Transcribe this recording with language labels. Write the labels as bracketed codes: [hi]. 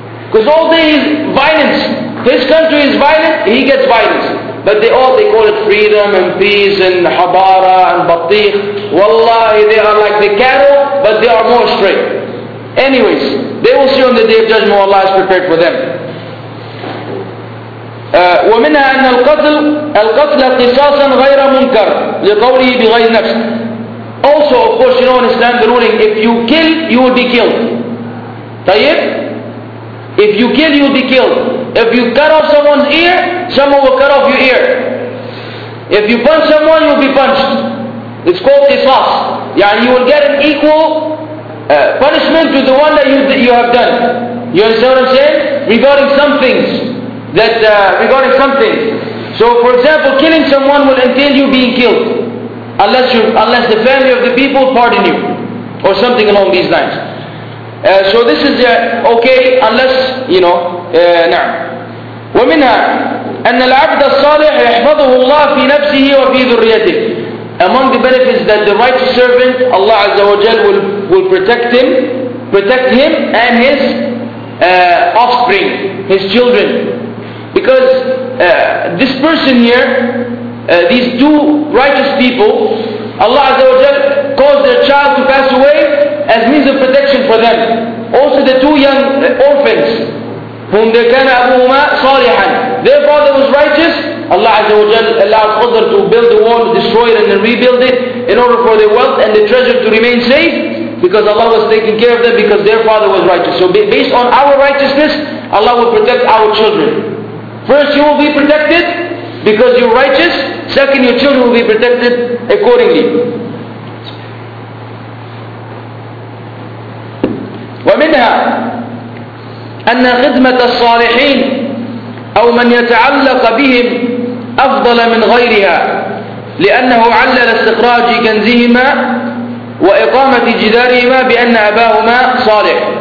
[en] Because all day is violence. His country is violent, he gets violence. But they call it freedom and peace and habara and batikh. Wallahi, they are like the cattle, but they are more straight. Anyways, they will see on the day of judgment what Allah has prepared for them. [ar] ومنها أن القتل قصاصا غير منكر لقوله بغير نفس. [en] Also, of course, you know in Islam the ruling, if you kill, you will be killed. [ar] طيب. [en] If you kill, you will be killed. If you cut off someone's ear, someone will cut off your ear. If you punch someone, you will be punched. It's called قصاص. يعني you will get an equal punishment to the one that you have done. You understand what I'm saying? Regarding some things. Regarding something. So for example, killing someone will entail you being killed. Unless the family of the people pardon you. Or something along these lines. So this is okay unless, you know, نعم. [ar] ومنها أن العبد الصالح يحفظه الله في نفسه وفي ذريته. [en] Among the benefits that the righteous servant, Allah Azza wa Jal will protect him and his offspring, his children. because this person here, these two righteous people, Allah Azza wa Jal caused their child to pass away as means of protection for them. Also the two young orphans, whom they [ar] كان أبوهما صالحاً. [en] Their father was righteous. Allah Azza wa Jal allowed Qadr to build the wall, destroy it and then rebuild it in order for their wealth and the treasure to remain safe, because Allah was taking care of them because their father was righteous. So based on our righteousness, Allah will protect our children. First, you will be protected because you're righteous. Second, your children will be protected accordingly. [ar] ومنها أن خدمة الصالحين أو من يتعلق بهم أفضل من غيرها، لأنه علل استخراج كنزهما وإقامة جدارهما بأن أباهما صالح.